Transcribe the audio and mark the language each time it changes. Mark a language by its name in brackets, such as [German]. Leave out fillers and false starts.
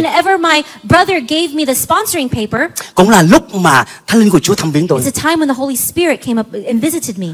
[English] And whenever my brother gave me the sponsoring paper. [Vietnamese] Cũng là lúc mà Thánh Linh của Chúa thăm viếng tôi. [English] It's a time when the Holy Spirit came up and visited me.